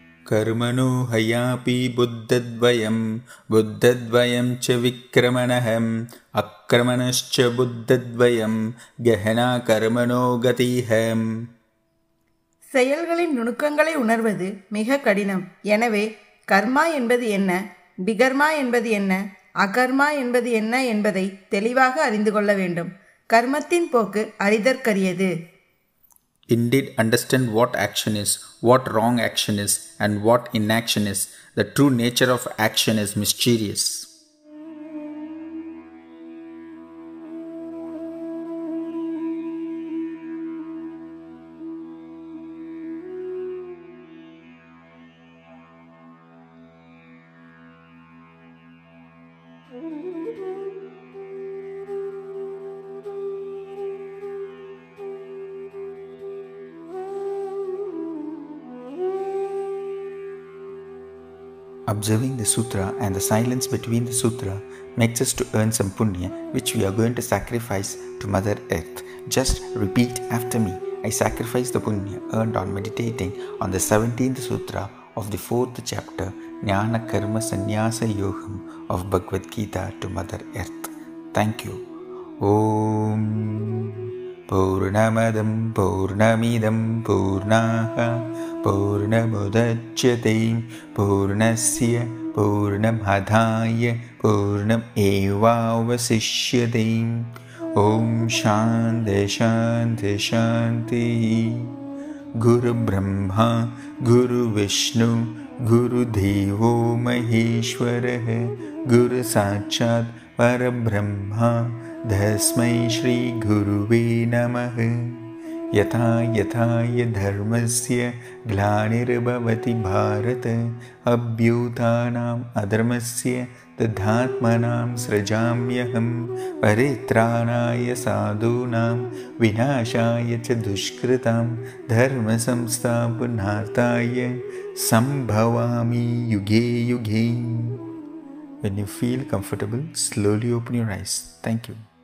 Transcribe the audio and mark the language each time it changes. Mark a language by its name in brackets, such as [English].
[Sanskrit] கர்மணோ ஹயாபி புத்தத்வயம் புத்தத்வயம் ச விக்ரமணஹம் அக்ரமணஶ்ச புத்தத்வயம் கஹனா கர்மணோ கதிஹம். [Tamil] செயல்களின் நுணுக்கங்களை உணர்வது மிக கடினம். எனவே கர்மா என்பது என்ன, பிகர்மா என்பது என்ன, அகர்மா என்பது என்ன என்பதை தெளிவாக அறிந்து கொள்ள வேண்டும். கர்மத்தின் போக்கு அறிதற்கரியது. [English] Indeed, understand what action is, what wrong action is, and what inaction is. The true nature of action is mysterious. Observing the sutra and the silence between the sutra makes us to earn some punya which we are going to sacrifice to Mother Earth. Just repeat after me. I sacrifice the punya earned on meditating on the 17th sutra of the 4th chapter Jnana Karma Sannyasa Yogam of Bhagavad Gita to Mother Earth. Thank you. [Sanskrit] Om Purnamadam Purnamidam Purnaha பூர்ணமுதச்யதே பூர்ணஸ்ய பூர்ணமாதாய பூர்ணம் ஏவாவசிஷ்யதே. ஓம் சாந்தி சாந்தி சாந்தி. குரு பிரம்மா குரு விஷ்ணு குரு தேவோ மகேஸ்வர குரு சாட்சாத் பரபிரம்மா தஸ்மை ஸ்ரீ குருவே நம. யதா யதாய தர்மஸ்ய க்லானிர்பவதி பாரத அப்யூதானாம் அதர்மஸ்ய ததாத்மனாம் ஸ்ரஜாம்யஹம் பரித்ராணாய சாதுனாம் விநாஷாய ச துஷ்க்ருதாம் தர்ம சம்ஸ்தாபனார்த்தாய சம்பவாமி UK UK. [English] When you feel comfortable, slowly open your eyes. Thank you.